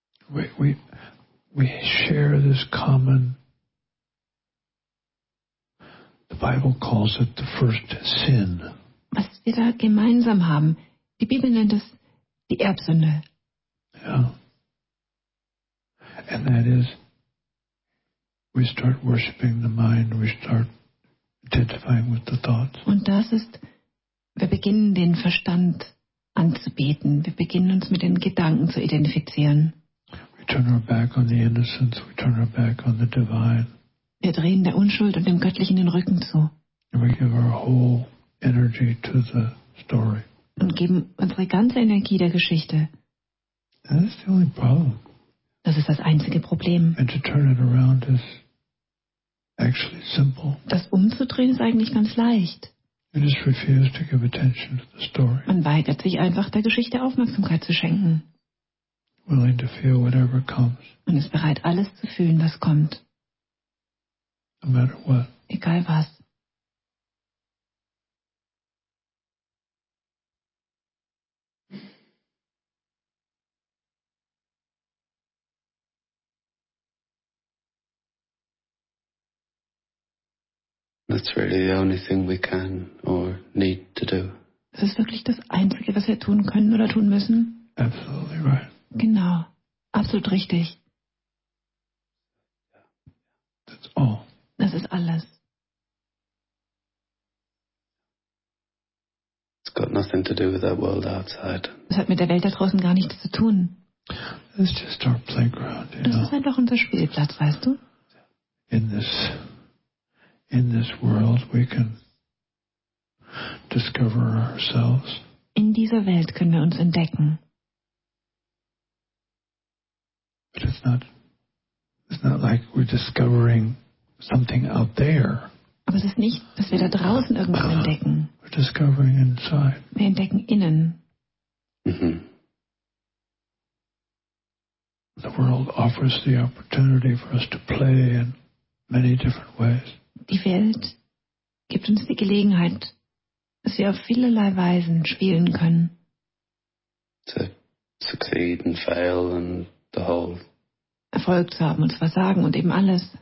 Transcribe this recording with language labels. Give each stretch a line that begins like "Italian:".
English: We share this common. The Bible calls it the first sin.
German: Was wir da gemeinsam haben, die Bibel nennt es die Erbsünde.
English: Yeah. And that is, we start worshiping the mind, we start identifying with the thoughts.
German: Und das ist, wir beginnen den Verstand anzubeten, wir beginnen uns mit den Gedanken zu identifizieren.
English: We turn our back on the innocence, we turn our back on the divine.
German: Wir drehen der Unschuld und dem Göttlichen den Rücken zu.
English: We give our whole energy to the story.
German: Und geben unsere ganze Energie der Geschichte.
English: That is the only problem.
German: Das ist das einzige Problem.
English: And to turn it around is actually simple.
German: Das umzudrehen ist eigentlich ganz leicht.
English: You just refuse to give attention to the story.
German: Man weigert sich einfach, der Geschichte Aufmerksamkeit zu schenken.
English: Willing to feel whatever comes.
German: Und ist bereit, alles zu fühlen, was kommt.
English: No matter what.
German: Egal was.
English: That's really the only thing we can or need to do.
German: Das ist wirklich das Einzige, was wir tun können oder tun müssen.
English: Absolutely right.
German: Genau. Absolut richtig.
English: That's all.
German: Das ist alles.
English: It's got nothing to do with that world outside.
German: Das hat mit der Welt da draußen gar nichts zu tun.
English: It's just our playground, you know.
German: Das ist einfach unser Spielplatz, weißt du?
English: In this world we can discover ourselves.
German: In dieser Welt können wir uns entdecken.
English: But it's not like we're discovering something out there.
German: Aber es ist nicht, dass wir da draußen irgendwas entdecken.
English: We're discovering inside.
German: Wir entdecken innen.
English: The world offers the opportunity for us to play in many different ways.
German: Die Welt gibt uns die Gelegenheit, dass wir auf vielerlei Weisen spielen können.
English: To succeed and fail and the whole.
German: Erfolg zu haben und zu versagen und eben alles.